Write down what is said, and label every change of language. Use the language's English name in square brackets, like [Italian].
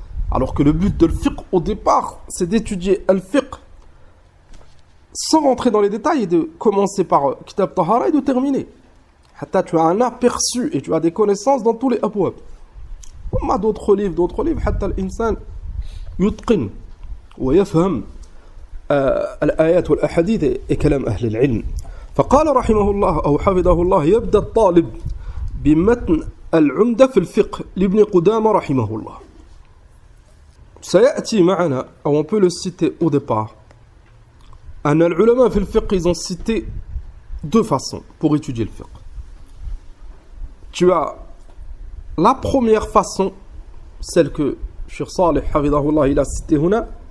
[French] Alors que le but de l'fiqh au départ, c'est d'étudier al-fiqh sans rentrer dans les détails et de commencer par Kitab al-Tahar et de terminer. Hatta tu as un aperçu et tu as des connaissances dans tous les abwab. On a d'autres livres. [Arabic] Hatta l'insan yutqin wa yafham الآيات والأحاديث كلام أهل العلم. فقال رحمه الله أو حفظه الله يبدأ الطالب بمتن العمدة في الفقه لابن قدامة رحمه الله. سيأتي معنا أو [French] on peut le citer au départ [Arabic] أن العلماء في الفقه [French] ils ont cité deux façons pour étudier le fiqh. Tu as la première façon, celle que Cheikh Salih حفظه الله il a cité هنا.